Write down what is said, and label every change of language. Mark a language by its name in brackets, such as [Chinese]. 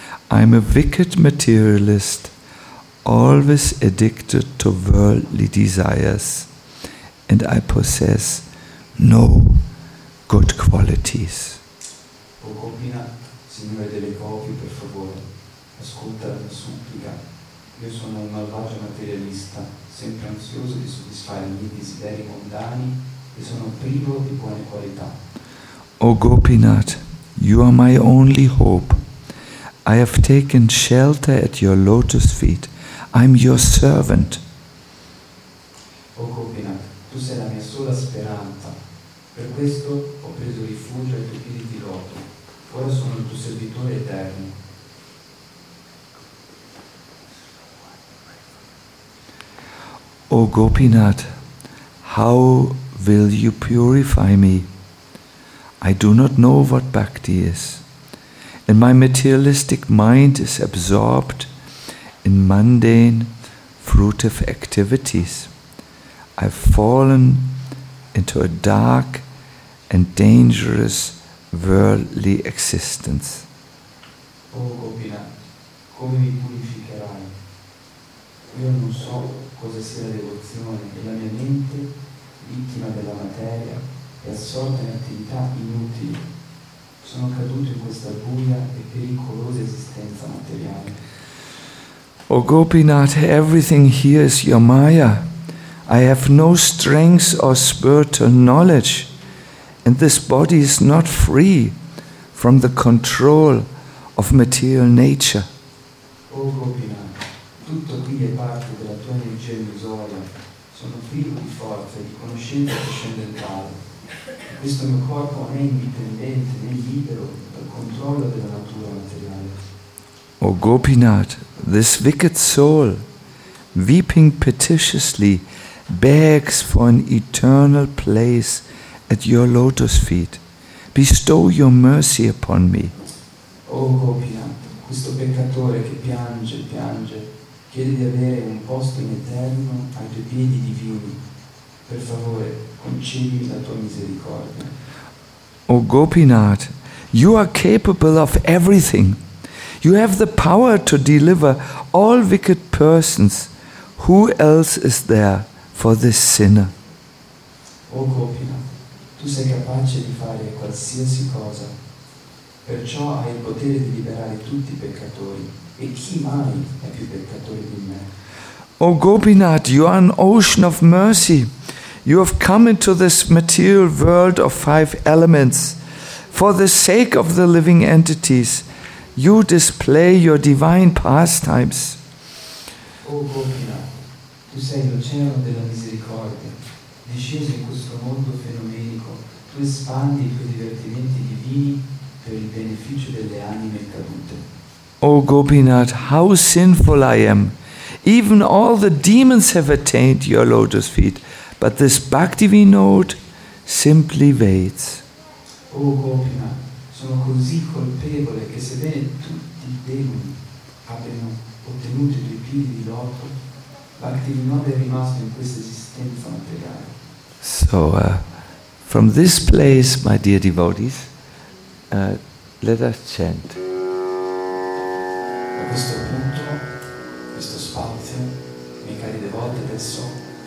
[English] I'm a wicked materialist, always addicted to worldly desires, and I possess no good qualities. [Italian] O Gopinath, Signore delle copie, per favore, ascolta la mia supplica. Io sono un malvagio materialista, sempre ansioso di soddisfare i miei desideri mondani e sono privo di buone qualità. [English] O Gopinath, you are my only hope. I have taken shelter at your lotus feet. I'm your servant. [Italian] O Gopinath, tu sei la mia sola speranza. Per questo ho preso rifugio ai tuoi piedi di loto. Ora sono il tuo servitore eterno. [English] O Gopinath, how will you purify me? I do not know what bhakti is, and my materialistic mind is absorbed in mundane, fruitive activities. I've fallen into a dark and dangerous worldly existence. [Italian] O Gopinath, come mi purificherai? Io non so cosa sia la devozione, e la mia mente, vittima della materia, è assorta in attività inutili. Sono caduto in questa buia e pericolosa esistenza materiale. [English] O Gopinath, everything here is your maya. I have no strength or spiritual knowledge, and this body is not free from the control of material nature. [Italian] O Gopinath, tutto qui è parte della tua energia illusoria. Sono privo di forza e di conoscenza trascendentale. Questo mio corpo non è indipendente né libero dal controllo della natura materiale. [English] O Gopinath, this wicked soul, weeping petitiously, begs for an eternal place at your lotus feet. Bestow your mercy upon me. [Italian] O Gopinath, questo peccatore che piange, piange, chiede di avere un posto in eterno ai tuoi piedi divini. Per favore, concedimi la tua misericordia. [English] O Gopinath, you are capable of everything. You have the power to deliver all wicked persons. Who else is there for this sinner? [Italian] O Gopinath, tu sei capace di fare qualsiasi cosa. Perciò hai il potere di liberare tutti i peccatori. E chi mai è più peccatore di me? [English] O Gopinath, you are an ocean of mercy. You have come into this material world of five elements. For the sake of the living entities, you display your divine pastimes. [Italian] O Gopinath, tu sei l'oceano della misericordia. Disceso in questo mondo fenomenico, tu espandi i tuoi divertimenti divini per il beneficio delle anime cadute. [English] O Gopinath, how sinful I am. Even all the demons have attained your lotus feet, but this Bhaktivinoda simply waits. [Italian] O Gopina, sono così colpevole che sebbene tutti i demoni abbiano ottenuto i due piedi di loto, Bhaktivinoda è rimasto in questa esistenza materiale. [English] So, from this place, my dear devotees, let us chant. [Italian] A questo punto, questo spazio, miei cari devoti, adesso